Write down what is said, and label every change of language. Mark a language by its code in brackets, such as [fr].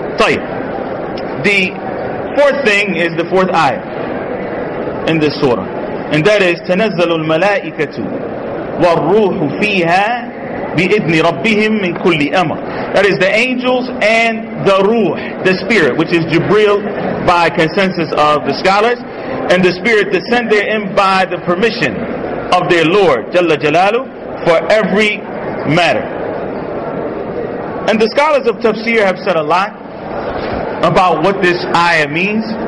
[en] Tell you, the fourth thing is the fourth ayah in this surah. And that is [ar] تَنَزَّلُ الْمَلَائِكَةُ وَالْرُوحُ فِيهَا بِإِذْنِ رَبِّهِمْ مِنْ كُلِّ أَمَرٍ. [en] That is the angels and the ruh, the spirit, which is Jibril by consensus of the scholars, and the spirit descend therein by the permission of their Lord جَلَّ جَلَالُهُ for every matter. And the scholars of tafsir have said a lot about what this ayah means.